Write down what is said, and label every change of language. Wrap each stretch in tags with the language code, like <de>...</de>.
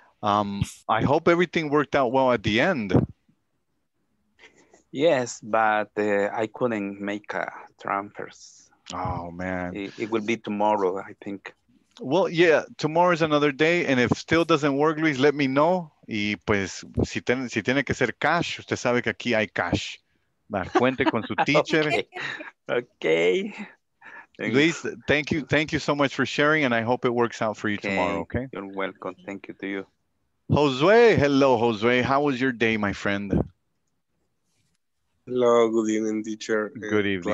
<en>I hope everything worked out well at the end. Yes, but I couldn't make transfers. Oh man. It will be tomorrow, I think. Well, yeah, tomorrow is another day, and if still doesn't work, Luis, let me know.</en> <es>Y pues, si tiene que ser cash, usted sabe que aquí hay cash. Cuente con su teacher.</es> <en>Okay. Luis, thank you so much for sharing, and I hope it works out for you tomorrow, okay? You're welcome. Thank you to you. Josue, hello, Josue. How was your day, my friend? Hello, good evening, teacher. Good evening.</en>